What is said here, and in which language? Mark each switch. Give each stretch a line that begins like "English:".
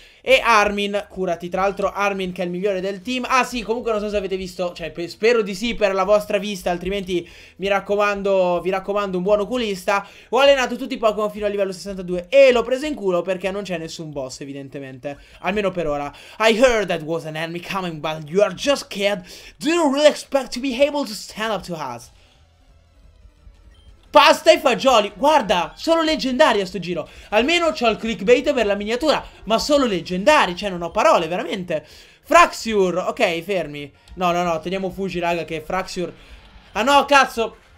Italian: E Armin, curati. Tra l'altro Armin che è il migliore del team. Ah sì, comunque non so se avete visto, cioè spero di sì per la vostra vista, altrimenti mi raccomando, vi raccomando un buon oculista. Ho allenato tutti i Pokémon fino al livello 62 e l'ho preso in culo perché non c'è nessun boss, evidentemente, almeno per ora.
English: I heard that was an enemy coming, but you are just scared. Do you really expect to be able to stand up to us?
Italian: Pasta e fagioli, guarda, solo leggendari a sto giro. Almeno c'ho il clickbait per la miniatura, ma solo leggendari, cioè non ho parole, veramente. Fraxur, ok, fermi. No, no, no, teniamo Fuji, raga, che Fraxur... Ah no, cazzo.